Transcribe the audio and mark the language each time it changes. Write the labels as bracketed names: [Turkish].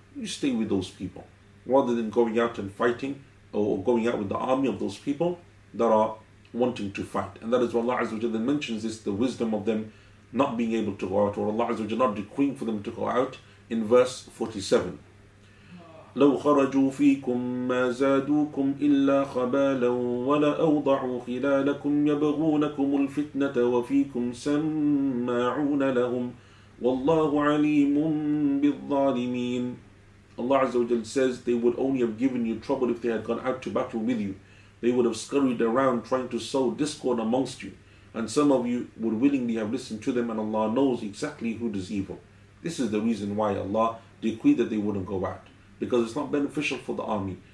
[English] You stay with those people. Rather than going out and fighting or going out with the army of those people that are wanting to fight. And that is why Allah Azza wa Jalla mentions this, the wisdom of them not being able to go out, or Allah Azza wa Jalla not decreeing for them to go out in verse 47. [Arabic] لو خرجوا فيكم ما زادوكم إلا خبالا ولا أوضعوا خلالكم يبغونكم الفتنة وفيكم سماعون لهم والله عليم بالظالمين. [English] Allah Azza wa Jal says they would only have given you trouble if they had gone out to battle with you. They would have scurried around trying to sow discord amongst you. And some of you would willingly have listened to them, and Allah knows exactly who does evil. This is the reason why Allah decreed that they wouldn't go out. Because it's not beneficial for the army.